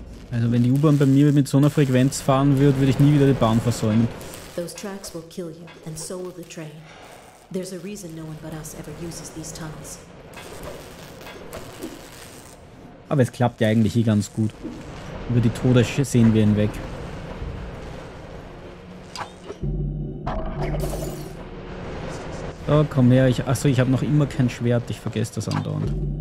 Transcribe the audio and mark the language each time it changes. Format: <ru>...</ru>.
<de>Also wenn die U-Bahn bei mir mit so einer Frequenz fahren würde, würde ich nie wieder die Bahn versäumen.</de> <en>Those tracks will kill you, and so will the train. There's a reason no one but us ever uses these tunnels.</en> <de>Aber es klappt ja eigentlich hier ganz gut. Über die Tode sehen wir hinweg. Oh, komm her. Achso, ich habe noch immer kein Schwert. Ich vergesse das andauernd.</de>